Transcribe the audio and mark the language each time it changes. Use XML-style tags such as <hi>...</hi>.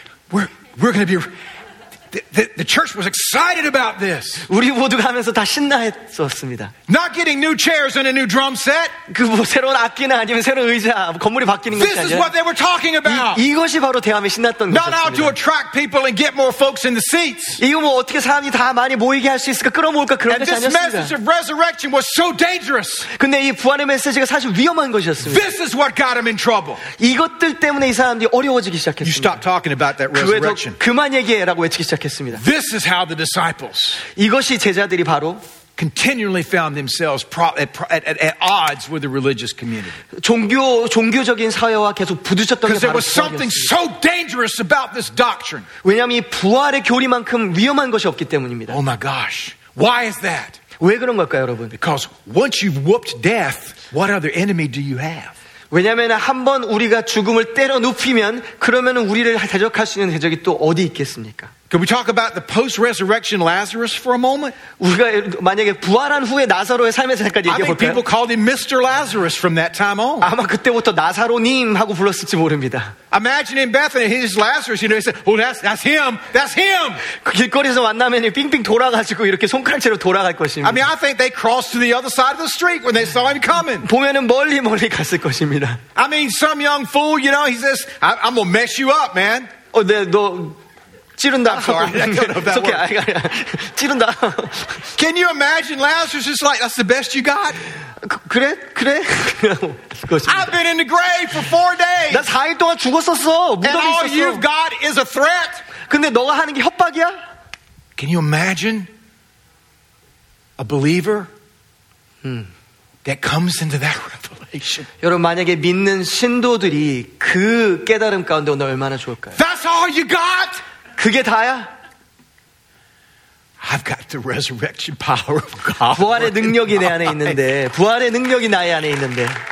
<en>We're going to be the church was excited about this.</en> <ko>우리 모두가 하면서 다 신나했었습니다.</ko> <en>Not getting new chairs and a new drum set.</en> <ko>그 뭐 새로운 악기나 아니면 새로운 의자 건물이 바뀌는 것이 아니라</ko> <en>This is what they were talking about.</en> <ko>이것이 바로 대화에 신났던 것이었습니다.</ko> <en>Not how to attract people and get more folks in the seats.</en> <ko>이거 뭐 어떻게 사람이 다 많이 모이게 할 수 있을까 끌어모을까 그런 것이 아니었습니다.</ko> <en>And this message of resurrection was so dangerous.</en> <ko>근데 이 부활의 메시지가 사실 위험한 것이었습니다.</ko> <en>This is what got them in trouble.</en> <ko>이것들 때문에 이 사람들이 어려워지기 시작했습니다.</ko> <en>You stop talking about that resurrection.</en> <ko>그만 얘기해라고 외치기 시작.</ko> <en>This is how the disciples.</en> <ko>이것이 제자들이 바로</ko> <en>continually found themselves at odds with the religious community.</en> <ko>종교적인 사회와 계속 부딪혔던 게 바로</ko> <en>Because there was something so dangerous about this doctrine.</en> <ko>왜냐하면 이 부활의 교리만큼 위험한 것이 없기 때문입니다.</ko> <en>Oh my gosh, why is that?</en> <ko>왜 그런 걸까요, 여러분?</ko> <en>Because once you've whooped death, what other enemy do you have?</en> <ko>왜냐하면 한번 우리가 죽음을 때려 눕히면 그러면 우리를 대적할 수 있는 대적이 또 어디 있겠습니까?</ko> <en>Can we talk about the post-resurrection Lazarus for a moment?</en> <ko>우리가 만약에 부활한 후에 나사로의 삶에 살까지 얘기해 볼까요?</ko> <en>I think people called him Mr. Lazarus from that time on.</en> <ko>아마 그때부터 나사로님 하고 불렀을지 모릅니다.</ko> <en>Imagine in Bethany, he's Lazarus. You know, he said, "Oh, that's him. That's him."</en> <ko>그 길거리에서 만나면 빙빙 돌아가지고 이렇게 손가락으로 돌아갈 것입니다.</ko> <en>I mean, I think they crossed to the other side of the street when they saw him coming.</en> <ko>보면은 멀리 멀리 갔을 것입니다.</ko> <en>I mean, some young fool, you know, he says, "I'm gonna mess you up, man."</en> <ko>너 찌른다.</ko> <en>It's okay.</en> <ko>찌른다.</ko> <en>Can you imagine Lazarus is like that's the best you got?</en> <ko>그래?</ko> <en>I've been in the grave for 4 days.</en> <ko>나 4일 동안 죽었었어. 무덤에 있었어.</ko> <en>And all you've got is a threat.</en> <ko>근데 너가 하는 게 협박이야?</ko> <en>Can you imagine a believer that comes into that revelation?</en> <ko>여러분 만약에 믿는 신도들이 그 깨달음 가운데 온다면 얼마나 좋을까요?</ko> <en>That's all you got.</en> <ko>그게 다야?</ko> <en>I've got the resurrection power of God.</en> <ko>부활의 능력이 내 안에 있는데, 부활의 능력이 나의 안에 있는데.</ko>